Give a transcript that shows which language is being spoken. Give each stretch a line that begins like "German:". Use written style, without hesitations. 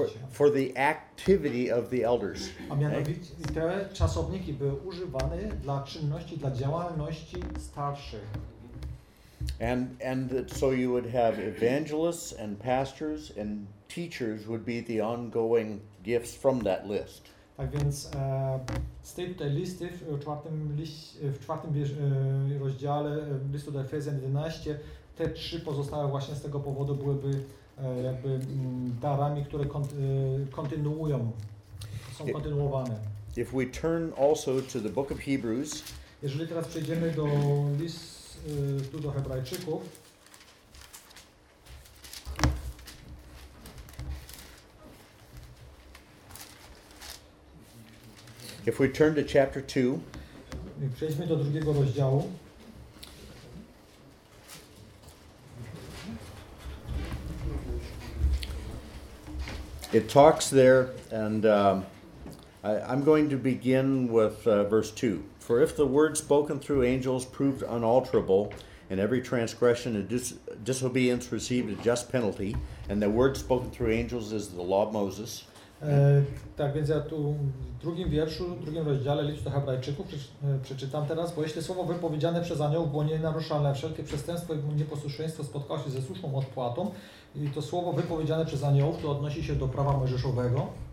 English: For the activity of the elders.
Polish: A mianowicie te czasowniki były używane dla czynności, dla działalności starszych.
English: And so you would have evangelists and pastors and teachers would be the ongoing gifts from that list.
Polish: Tak więc z tej tutaj listy w czwartym rozdziale listu do Efezjan 11 te trzy pozostałe właśnie z tego powodu byłyby jakby darami, które kontynuują, są kontynuowane.
English: If we turn also to the book of Hebrews,
Polish: jeżeli teraz przejdziemy do listu do Hebrajczyków,
English: if we turn to chapter 2,
Polish: przejdźmy do drugiego rozdziału.
English: It talks there, and I'm going to begin with verse 2. For if the word spoken through angels proved unalterable, and every transgression and disobedience received a just penalty, and the word spoken through angels is the law of Moses.
Polish: Tak więc ja tu w drugim wierszu, w drugim rozdziale listu do Hebrajczyków przeczytam teraz, bo jeśli słowo wypowiedziane przez aniołów było nienaruszalne, wszelkie przestępstwo i nieposłuszeństwo spotkało się ze słuszną odpłatą, i to słowo wypowiedziane przez aniołów to odnosi się do prawa mojżeszowego.